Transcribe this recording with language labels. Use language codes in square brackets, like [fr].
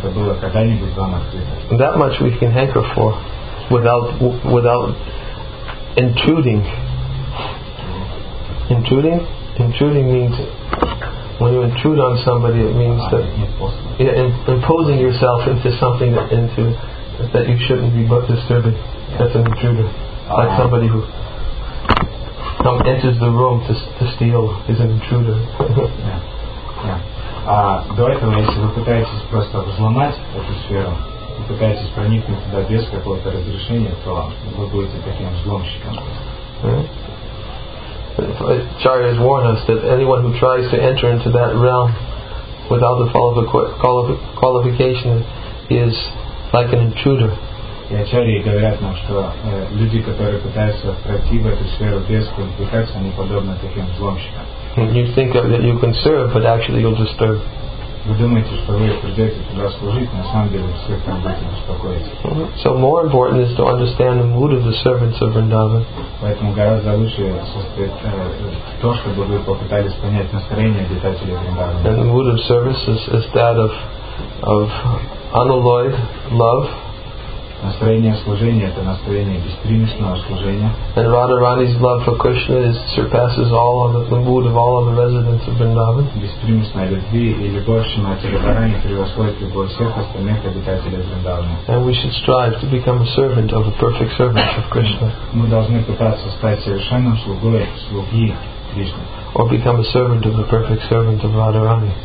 [en] That much we can hanker for without intruding means when you intrude on somebody, it means that imposing yourself into something that you shouldn't be but disturbing. That's an intruder, like somebody who enters the room to steal is an intruder. [ru] сфера. А до этого, если вы пытаетесь просто взломать эту сферу, и пытаетесь проникнуть туда без какого-то разрешения, то вы будете таким взломщиком. [en] Acharyas warn us that anyone who tries to enter into that realm without the qualification is like an intruder. [ru] И Ачарьи говорят нам, что люди, которые пытаются пройти в эту сферу без квалификации, они подобны таким взломщикам. [en] You think that you can serve, but actually you'll disturb. [ru] Вы думаете, что вы придете туда служить, на самом деле все там будете беспокоиться. [en] So more important is to understand the mood of the servants of Vrindavan. [ru] Поэтому гораздо лучше состоять то, чтобы вы попытались понять настроение обитателей Вриндавана. [en] And the mood of service is that of unalloyed love. [ru] Настроение служения — это настроение беспримесного служения. [en] And Radharani's love for Krishna surpasses all of the mood of all of the residents of Vrindavan. [ru] Беспримесная любви и любовь Шримати Радхарани превосходит любовь всех остальных обитателей Вриндавана. [en] And we should strive to become a servant of a perfect servant of Krishna. [ru] Мы должны пытаться стать совершенным слугой слуги Кришны. [en] Or become a servant of the perfect servant of Radharani.